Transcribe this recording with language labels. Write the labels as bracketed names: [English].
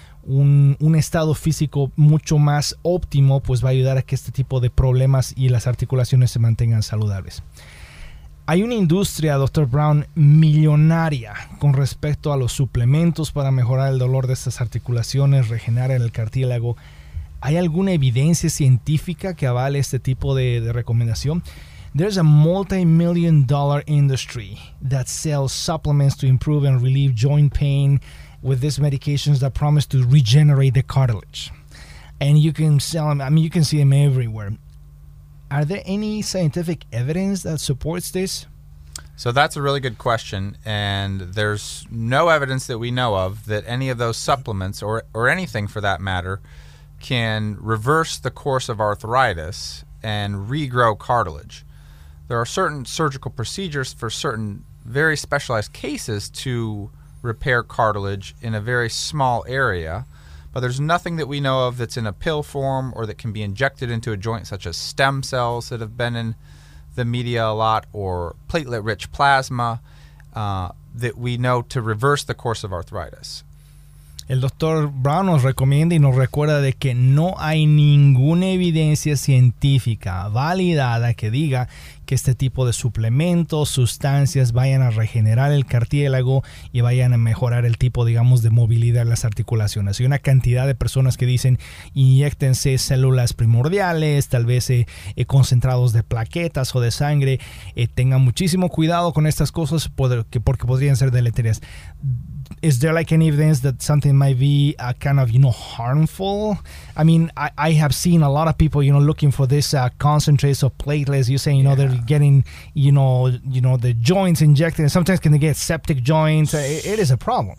[Spanish] un estado físico mucho más óptimo, pues va a ayudar a que este tipo de problemas y las articulaciones se mantengan saludables. Hay una industria, Dr. Brown, millonaria con respecto a los suplementos para mejorar el dolor de estas articulaciones, regenerar el cartílago. ¿Hay alguna evidencia científica que avale este tipo de recomendación? [English] There's a multi-million dollar industry that sells supplements to improve and relieve joint pain with these medications that promise to regenerate the cartilage. And you can sell them, I mean, you can see them everywhere. Are there any scientific evidence that supports this? So that's a really good question, and there's no evidence that we know of that any of those supplements, or anything for that matter, can reverse the course of arthritis and regrow cartilage. There are certain surgical procedures for certain very specialized cases to repair cartilage in a very small area, but there's nothing that we know of that's in a pill form or that can be injected into a joint, such as stem cells that have been in the media a lot, or platelet-rich plasma, that we know to reverse the course of arthritis. [Spanish] El doctor Brown nos recomienda y nos recuerda de que no hay ninguna evidencia científica validada que diga que este tipo de suplementos, sustancias vayan a regenerar el cartílago y vayan a mejorar el tipo, digamos, de movilidad en las articulaciones. Hay una cantidad de personas que dicen inyectense células primordiales, tal vez concentrados de plaquetas o de sangre. Tengan muchísimo cuidado con estas cosas porque podrían ser deleterias. [English] Is there like any evidence that something might be a kind of, you know, harmful? I mean, I have seen a lot of people, you know, looking for this concentrates of platelets. You say, you know, yeah, they're getting, you know, the joints injected, and sometimes can they get septic joints? It is a problem.